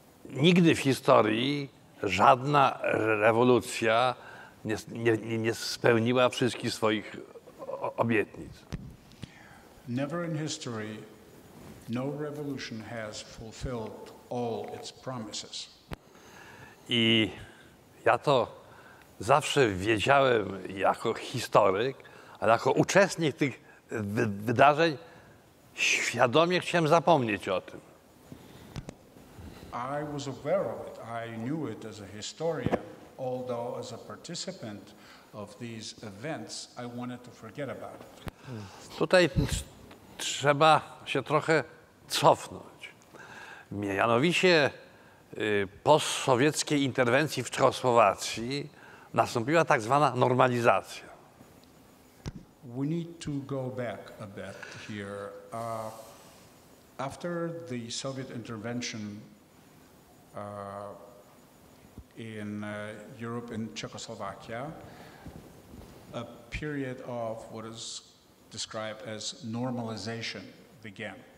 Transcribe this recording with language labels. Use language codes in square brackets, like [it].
[pl] Nigdy w historii żadna rewolucja nie spełniła wszystkich swoich obietnic. [en] Never in history, no revolution has fulfilled all its promises. [pl] I ja to zawsze wiedziałem jako historyk, ale jako uczestnik tych wydarzeń świadomie chciałem zapomnieć o tym. [en] I was aware of it. I knew it as a historian, although as a participant of these events, I wanted to forget about it. [pl] Tutaj trzeba się trochę cofnąć. Mianowicie postsowieckiej interwencji w Czechosłowacji nastąpiła tak zwana normalizacja. [en] We need to go back a bit here. After the Soviet intervention in Europe, in Czechoslovakia, a period of what is described as normalization began.